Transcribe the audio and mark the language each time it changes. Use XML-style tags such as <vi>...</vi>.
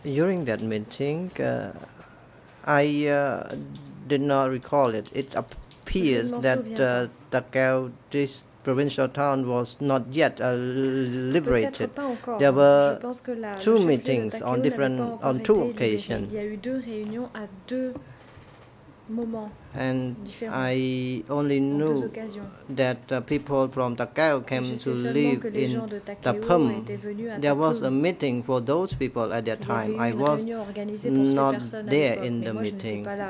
<en>During that meeting, I did not recall it. It appears that Takeo, this provincial town, was not yet liberated. There were two meetings on different on two occasions.</en> <fr>Il y a eu deux réunions à deux moments.</fr> <en>And I only knew that people from Takeo came to live in Tapum. There was a meeting for those people at that time. I was not there in the meeting.</en>